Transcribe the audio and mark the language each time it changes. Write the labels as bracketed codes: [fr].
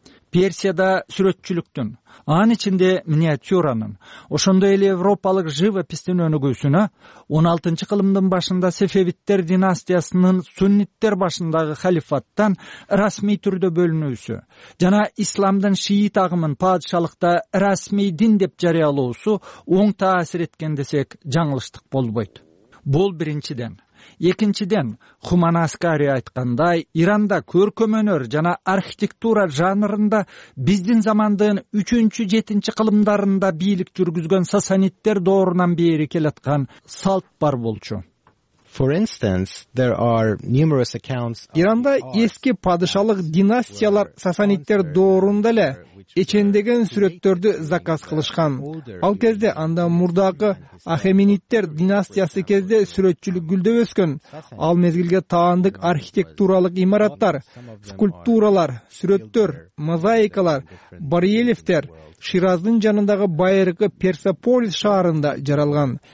[ky] Персияда сүрөтчүлүктүн, анын ичинде миниатюранын, ошондой эле европалык живописттин өнүгүүсүнө 16-чы кылымдын башында Сефевиттер династиясынын сунниттер башындагы халифаттан расмий түрдө бөлүнүүсү жана исламдын шиит агымын падышалыкта расмий дин деп жарыялоосу оң таасир эткен десек жаңылыштык болбойт. Бул биринчиден. Экинчиден, Хуман Аскари айткандай, Иранда көркөм өнөр жана архитектура жанрында биздин замандын 3-7 кылымдарында бийлик жүргүзгөн сасаниттер доорунан бери келаткан салт бар болчу. [en] For instance, there are numerous accounts. [ky] Иранда эски падышалык династиялар сасаниттер доорунда эле эчендеген сүрөттөрдү заказ кылышкан. Ал кезде анда мурдагы Ахемениттер династиясы кезде сүрөтчүлүк гүлдөп өскөн. Ал мезгилге таандык архитектуралык имараттар, скульптуралар, сүрөттөр, мозаикалар, барельефтер Шираздын жанындагы байыркы Персополис шаарында жаралган.